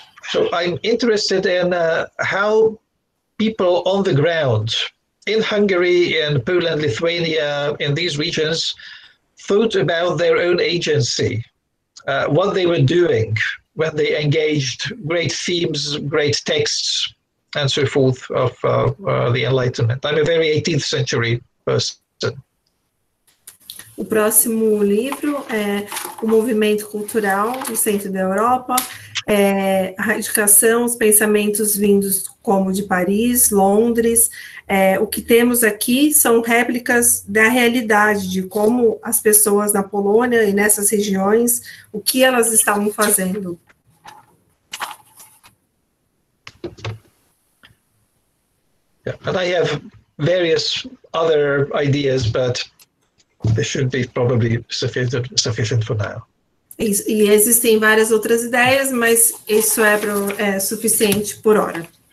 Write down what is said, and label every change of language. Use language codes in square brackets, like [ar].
[en] So I'm interested in how people on the ground in Hungary, in Poland, Lithuania, in these regions, thought about their own agency, what they were doing when they engaged great themes, great texts, and so forth of the Enlightenment. I'm a very 18th century person. [pt] O próximo livro é O Movimento Cultural no Centro da Europa, é a radicação, os pensamentos vindos como de Paris, Londres. É, o que temos aqui são réplicas da realidade, de como as pessoas na Polônia e nessas regiões, o que elas estavam fazendo. [en] And I have various other ideas, but this should be probably sufficient for now. [pt] E existem várias outras ideias, mas isso é, é suficiente por hora.